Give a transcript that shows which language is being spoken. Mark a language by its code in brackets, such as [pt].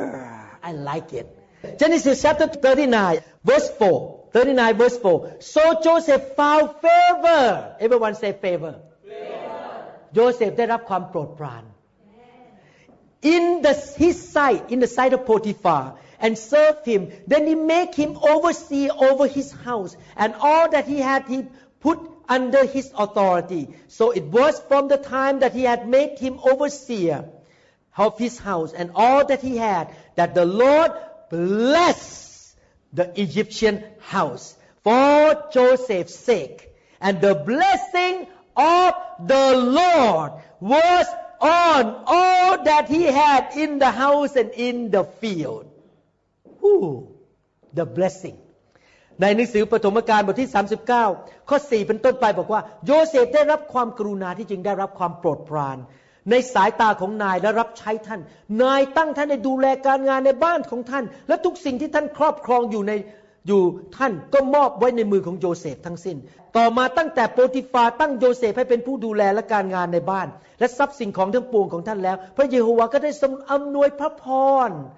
[en] I like it. Genesis chapter 39 verse 4. 39 verse 4. So Joseph found favor. Everyone say favor. Joseph [th] ได้รับความโปรดปราน [en] In his sight, in the sight of Potiphar. And served him. Then he made him overseer over his house, and all that he had, he put under his authority. So it was from the time that he had made him overseer of his house and all that he had that the Lord blessed the Egyptian house for Joseph's sake, and the blessing of the Lord was on all that he had in the house and in the field. The blessing. [th] ในหนังสือปฐมกาลบทที่39ข้อ4เป็นต้นไปบอกว่าโยเซฟได้รับความกรุณาที่จริงได้รับความโปรดปรานในสายตาของนายและรับใช้ท่านนายตั้งท่านให้ดูแลการงานในบ้านของท่านและทุกสิ่งที่ท่านครอบครองอยู่ท่านก็มอบไว้ในมือของโยเซฟทั้งสิ้นต่อมาตั้งแต่โปติฟาตั้งโยเซฟให้เป็นผู้ดูแลและการงานในบ้านและทรัพย์สินของทั้งปวงของท่านแล้วพระเยโฮวาห์ก็ได้ทรงอำนวยพระพร